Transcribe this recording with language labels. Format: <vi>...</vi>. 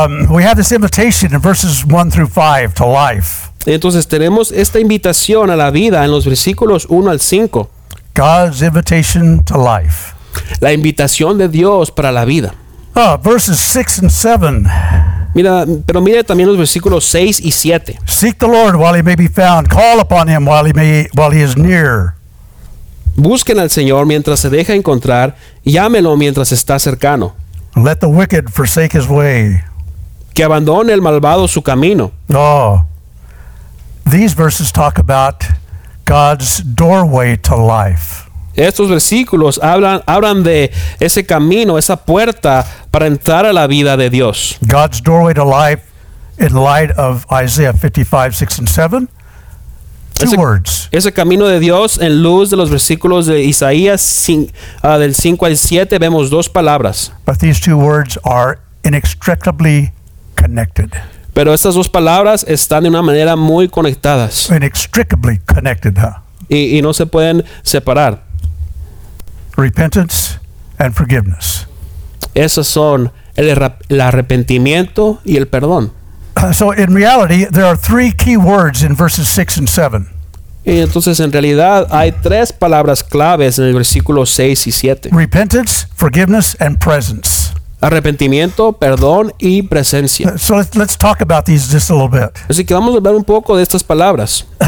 <en>We have this invitation in verses 1 through 5 to life.</en> <es>Entonces tenemos esta invitación a la vida en los versículos 1 al 5.</es> <en>God's invitation to life.</en> <es>La invitación de Dios para la vida.</es> <en>Verses 6 and 7.</en> <es>Mire también los versículos 6 y 7.</es> <en>Seek the Lord while he may be found. Call upon him while he is near.</en> <es>Busquen al Señor mientras se deja encontrar, llámelo mientras está cercano.</es> <en>Let the wicked forsake his way.</en> <es>Que abandone el malvado su camino.</es> <en>Oh, these verses talk about God's doorway to life.</en> <es>Estos versículos hablan de ese camino, esa puerta para entrar a la vida de Dios.</es> <en>God's doorway to life in light of Isaiah 55, 6 and 7.</en> <es>Ese camino de Dios en luz de los versículos de Isaías del 5 al 7 vemos dos palabras.</es> <en>But these two words are inextricably connected.</en> <es>Pero estas dos palabras están de una manera muy conectadas.</es> <en>Inextricably connected, huh?</en> <es>Y no se pueden separar.</es> <en>Repentance and forgiveness.</en> <es>Esos son el arrepentimiento y el perdón.</es> <en>So in reality, there are three key words in verses 6 and 7.</en> <es>Y entonces en realidad hay tres palabras claves en el versículo 6 y 7.</es> <en>Repentance, forgiveness, and presence.</en> <es>Arrepentimiento, perdón y presencia.</es> <en>So let's talk about these just a little bit.</en> <es>Así que vamos a hablar un poco de estas palabras.</es>